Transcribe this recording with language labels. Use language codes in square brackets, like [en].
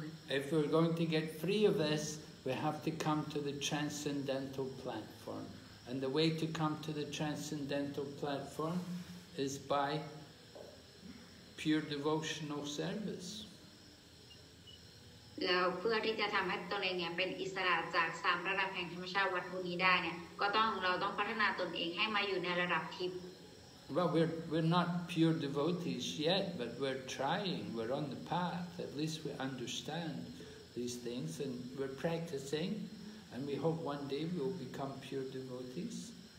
[en] If we're going to get free of this, we have to come to the transcendental platform. And the way to come to the transcendental platform is by pure devotional service. [th] แล้วเพื่อที่จะทำให้ตนเองเนี่ยเป็นอิสระจากสามระดับแห่งธรรมชาติวัตถุนี้ได้เนี่ยก็ต้องเราต้องพัฒนาตนเองให้มาอยู่ในระดับทิพย์ [en] Well, we're not pure devotees yet, but we're trying, we're on the path. At least we understand these things and we're practicing, and we hope one day we will become pure devotees.